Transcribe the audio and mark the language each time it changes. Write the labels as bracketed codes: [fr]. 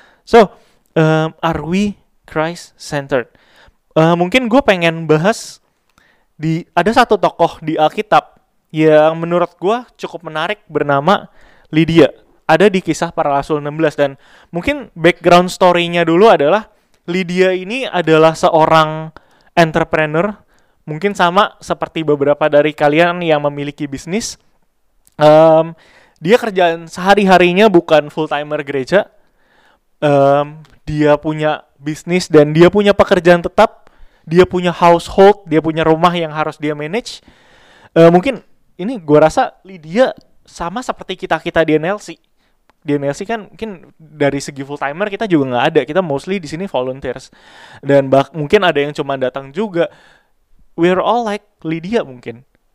[en] So, are we Christ-centered? [id] Mungkin gue pengen bahas ada satu tokoh di Alkitab yang menurut gue cukup menarik bernama Lydia. Ada di Kisah Para Rasul 16. Dan mungkin background story-nya dulu adalah Lydia ini adalah seorang entrepreneur. Mungkin sama seperti beberapa dari kalian yang memiliki bisnis. Dia kerjaan sehari-harinya bukan full-timer gereja. Dia punya bisnis dan dia punya pekerjaan tetap. Dia punya household, dia punya rumah yang harus dia manage. Mungkin ini gue rasa Lydia sama seperti kita-kita di NLC. Di NLC kan mungkin dari segi full-timer kita juga nggak ada. Kita mostly di sini volunteers. Dan mungkin ada yang cuma datang juga. [en] We're all like Lydia mungkin.